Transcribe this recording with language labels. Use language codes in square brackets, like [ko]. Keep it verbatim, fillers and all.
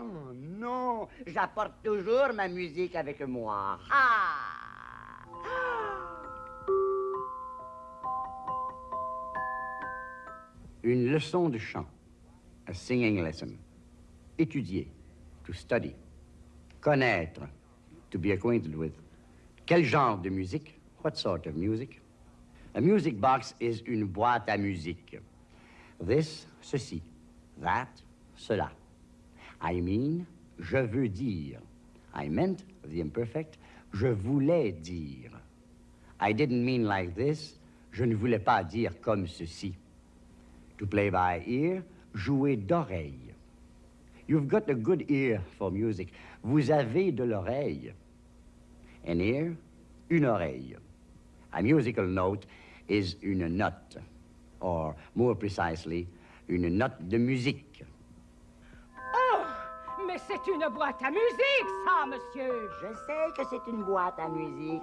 [fr] Oh non, j'apporte toujours ma musique avec moi. Ah! Une leçon de chant, [en] a singing lesson. Étudier, to study. Connaître, to be acquainted with. [fr] Quel genre de musique? [en] What sort of music? A music box is [fr] une boîte à musique. [en] This, ceci. That, cela. I mean, [fr] je veux dire. [en] I meant, the imperfect, [fr] je voulais dire. [en] I didn't mean like this, [fr] je ne voulais pas dire comme ceci. [en] To play by ear, [fr] jouer d'oreille. [en] You've got a good ear for music. [fr] Vous avez de l'oreille. [en] An ear, [fr] une oreille. [en] A musical note is une note, or more precisely, [fr] une note de musique. Oh, mais c'est une boîte à musique, ça, monsieur! Je sais que c'est une boîte à musique.